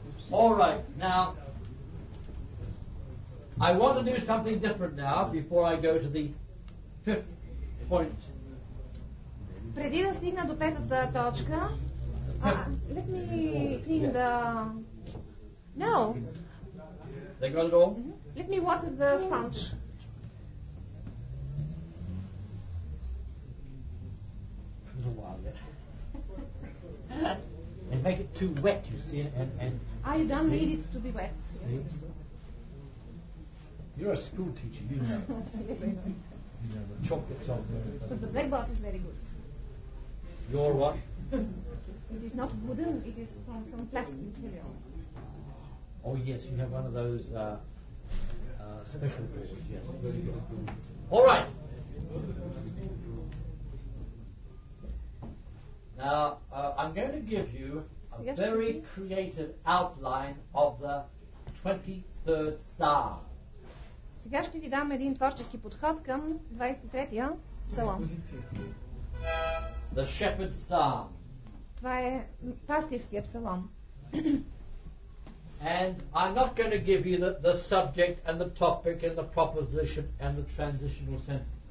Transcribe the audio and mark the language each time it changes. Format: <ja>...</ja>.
<en>All right, now I want to do something different now before I go to the fifth point.</en> <bg>Преди да стигна до петата точка,</bg> <en>let me clean the... No. They got it all? Let me water the sponge. A while yet. And make it too wet, you see. And I don't need it to be wet. See? You're a school teacher, you know. You know, the chocolate's on there. But the black box is very good. Your what? It is not wooden, it is from some plastic material. Oh yes, you have one of those special boards, yes. Very good. All right. Now, I'm going to give you a very creative outline of the 23rd Psalm.</en> <bg>Сега ще ви дам един творчески подход към 23-я псалом.</bg> <en>The Shepherd's Psalm.</en> <bg>Това е пастирския псалом.</bg> <en>And I'm not going to give you the subject and the topic and the proposition and the transitional sentence.</en>